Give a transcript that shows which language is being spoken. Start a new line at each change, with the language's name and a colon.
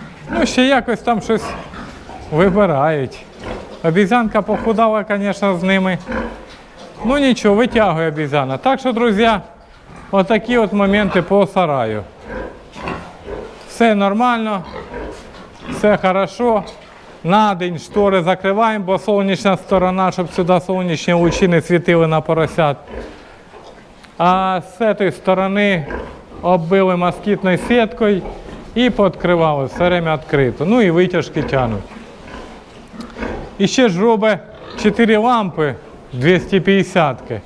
Ukrainian: Ну, ще якось там щось вибирають.
Russian: Обезьянка похудала,
Ukrainian: звісно, з ними. Ну, нічого, витягує обезьяна. Так що, друзі, отакі от моменти по сараю.
Russian: Все нормально, все хорошо.
Ukrainian: На день штори закриваємо, бо сонячна сторона, щоб сюди сонячні лучі не світили на поросят. А з цієї сторони оббили москітною сіткою і підкривали
Russian: все время
Ukrainian: відкрито. Ну і витяжки тянуть. І ще ж робить 4 лампи 250.